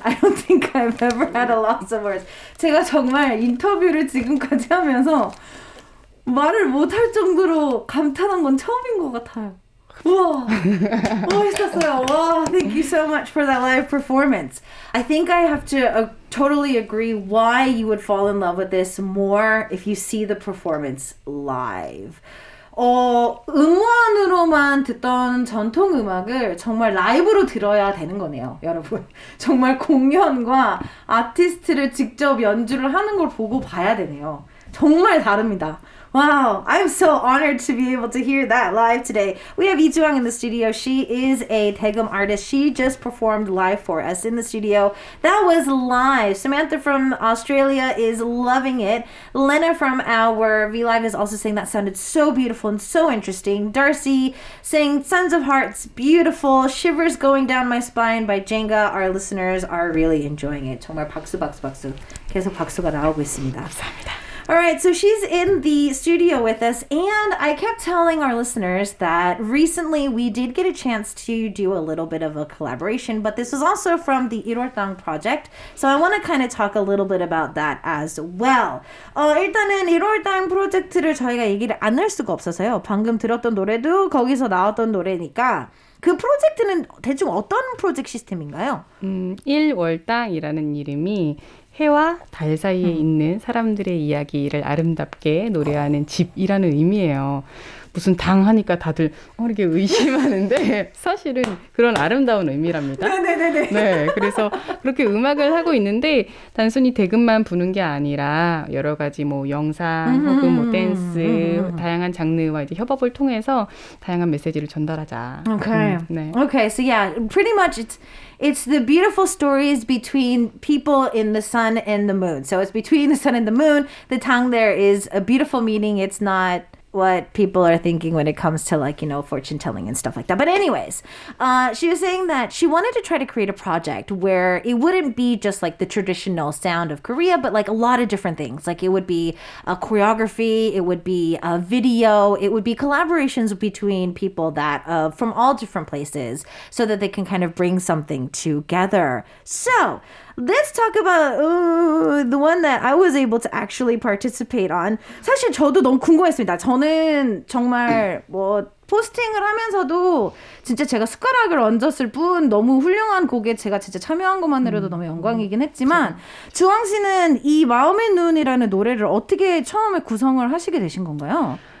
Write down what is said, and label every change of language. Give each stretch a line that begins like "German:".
English: I don't think I've ever had a loss of words.
Korean: 제가 정말 인터뷰를 지금까지 하면서 말을 못할 정도로 감탄한 건 처음인 것 같아요. 우와, 멋있었어요.
English: 와, thank you so much for that live performance. I think I have to totally agree why you would fall in love with this more if you see the performance live.
Korean: 음원으로만 듣던 전통 음악을 정말 라이브로 들어야 되는 거네요, 여러분. 정말 공연과 아티스트를 직접 연주를 하는 걸 보고 봐야 되네요. 정말 다릅니다.
English: Wow, I'm so honored to be able to hear that live today. We have Lee Joong in the studio. She is a Daegeum artist. She just performed live for us in the studio. That was live. Samantha from Australia is loving it. Lena from our VLive is also saying that sounded so beautiful and so interesting. Darcy saying Sons of Hearts, beautiful. Shivers Going Down My Spine by Jenga. Our listeners are really enjoying it.
Korean: 정말 박수, 박수, 박수. 계속 박수가 나오고 있습니다. 감사합니다.
English: All right, so she's in the studio with us, and I kept telling our listeners that recently we did get a chance to do a little bit of a collaboration, but this was also from the Irortang project, so I want to kind of talk a little bit about that as well.
Korean: 일단은 Irortang 프로젝트를 저희가 얘기를 안 할 수가 없어서요. 방금 들었던 노래도 거기서 나왔던 노래니까. 그 프로젝트는 대충 어떤 프로젝트 시스템인가요? 일월당이라는 이름이 해와 달 사이에 있는 사람들의 이야기를 아름답게 노래하는 집이라는 의미예요. 무슨 당하니까 다들 이렇게 의심하는데 사실은 그런 아름다운 의미랍니다. 네네네네. 네, 그래서 그렇게 음악을 하고 있는데 단순히 대금만 부는 게 아니라 여러 가지 뭐 영상 혹은 뭐 댄스 다양한 장르와 이제 협업을 통해서 다양한 메시지를 전달하자.
English: Okay. 네. Okay. So yeah, pretty much it's the beautiful stories between people in the sun and the moon. So it's between the sun and the moon. The tang there is a beautiful meaning. It's not what people are thinking when it comes to, like, you know, fortune telling and stuff like that. But anyways, she was saying that she wanted to try to create a project where it wouldn't be just like the traditional sound of Korea, but like a lot of different things. Like it would be a choreography, it would be a video, it would be collaborations between people that from all different places so that they can kind of bring something together. So let's talk about the one that I was able to actually participate on.
Korean: 사실 저도 너무 궁금했습니다. 저는 정말 뭐 포스팅을 하면서도 진짜 제가 숟가락을 얹었을 뿐 너무 훌륭한 곡에 제가 진짜 참여한 것만으로도 너무 영광이긴 했지만 주황 씨는 이 마음의 눈이라는 노래를 어떻게 처음에 구성을 하시게 되신 건가요?